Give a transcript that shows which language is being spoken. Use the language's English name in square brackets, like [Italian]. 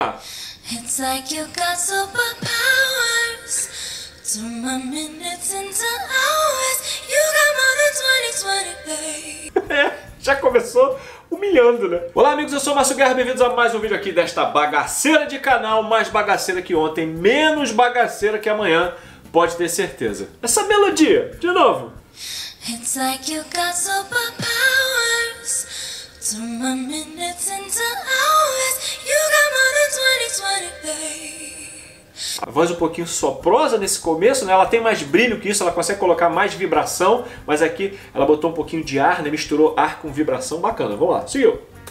[English] It's like you got superpowers. Turn my minutes into hours. You got more than 2020, babe. [Portuguese] Já começou humilhando, né? Olá, amigos, eu sou o Márcio Guerra, bem-vindos a mais um vídeo aqui desta bagaceira de canal, mais bagaceira que ontem, menos bagaceira que amanhã, pode ter certeza. Essa melodia, de novo. [English] It's like you got superpowers. Turn my minutes into hours. You got more than 2020, babe. [Portuguese] A voz um pouquinho soprosa nesse começo, né? Ela tem mais brilho que isso, ela consegue colocar mais vibração, mas aqui ela botou um pouquinho de ar, né? Misturou ar com vibração, bacana. Vamos lá, seguiu.